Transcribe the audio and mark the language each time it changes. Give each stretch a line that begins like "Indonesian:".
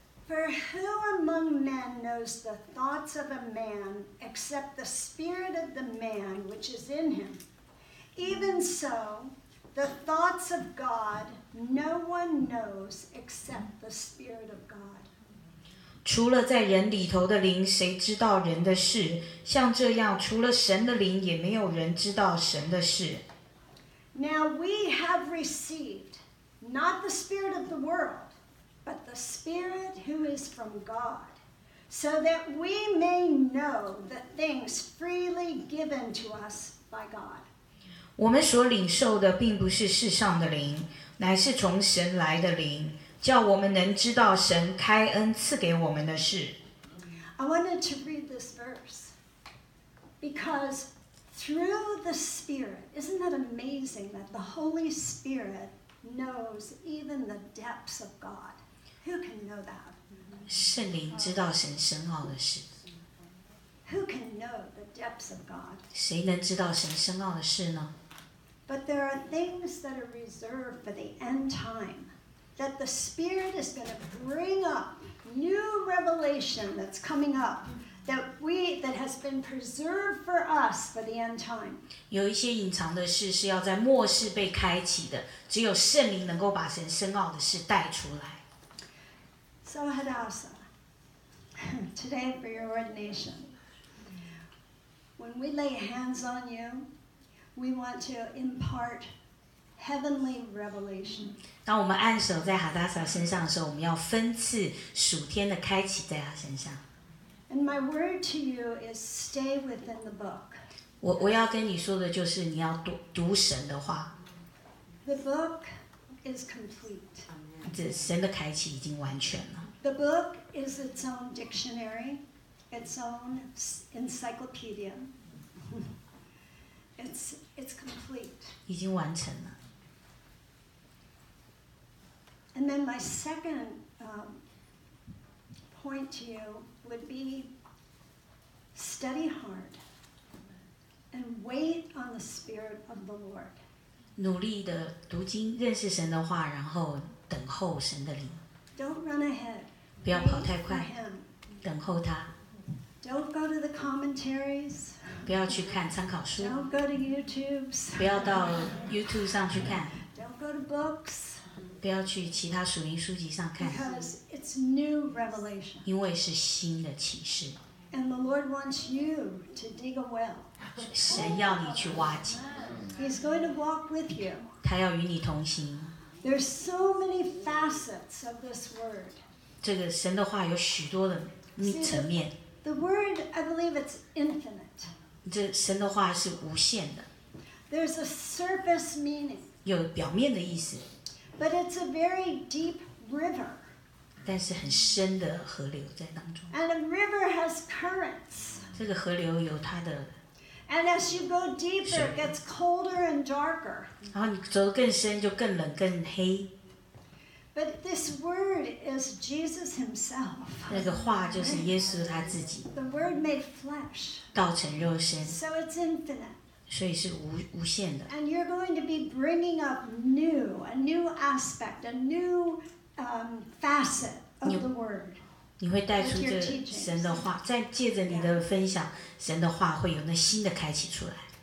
English: For who among men knows the thoughts of a man except the spirit of the man which is in him? Even so, the thoughts of God no one knows except the spirit of God.
Chinese: 除了在人里头的灵，谁知道人的事？像这样，除了神的灵，也没有人知道神的事。
English: Now we have received not the spirit of the world,But the Spirit who is from God, so that we may know the things freely given to us by God.
Chinese: 我们所领受的并不是世上的灵，乃是从神来的灵，叫我们能知道神开恩赐给我们的事。
English: I wanted to read this verse because through the Spirit, isn't that amazing that the Holy Spirit knows even the depths of God? Who can know that?
Chinese: 圣灵知道神深奥的事。
English: Who can know the depths of God?
Chinese: 谁能知道神深奥的事呢?
English: But there are things that are reserved for the end time, that the Spirit is going to bring up new revelation that's coming up, that has been preserved for us for the end time.
Chinese: 有一些隐藏的事是要在末世被开启的，只有圣灵能够把神深奥的事带出来。
English: So Hadassah, today for your ordination, when we lay hands on you, we want to impart heavenly revelation.
Chinese: 当我们按手在哈达萨身上的时候，我们要分赐属天的开启在他身上。
English: And my word to you is stay within the book.
Chinese: 我要跟你说的就是你要读神的话。
English: The book is complete.
Chinese: 这神的开启已经完全了。
English: The book is its own dictionary, its own encyclopedia. It's complete.
Chinese: 已经完成了。
English: And then my second point to you would be study hard and wait on the Spirit of the Lord.
Chinese: 努力的读经，认识神的话，然后等候神的灵。
English: Don't run ahead.
Chinese: 不要跑太快，等候他。
English: Don't go to the commentaries.
Chinese: 不要去看参考书。
English: Don't go to YouTube.
Chinese: 不要到 YouTube 上去看。
English: Don't go to books.
Chinese: 不要去其他属灵书籍上看。
English: Because it's new revelation.
Chinese: 因为是新的启示。
English: And the Lord wants you to dig a well.
Chinese: 神要你去挖井。
English: He's going to walk with you.
Chinese: 他要与你同行。
English: There's so many facets of this word.
Chinese: 这个神的话有许多的层面。
English: The word, I believe, it's infinite.
Chinese: 这神的话是无限的。
English: There's a surface meaning.
Chinese: 有表面的意思。
English: But it's a very deep river.
Chinese: 但是很深的河流在当中。
English: And a river has currents.
Chinese: 这个河流有它的。
English: And as you go deeper, it gets colder and darker.
Chinese: 然后你走得更深，就更冷、更黑。
English: But this word is Jesus Himself.
Chinese: 那个话就是耶稣他自己。
English: The word made flesh.
Chinese: 道成肉身。
English: So it's infinite.
Chinese: 所以是无限的。
English: And you're going to be bringing up a new aspect, a new facet of the word.
Chinese: 你会带出这神的话，再借着你的分享，神的话会有那新的开启出来。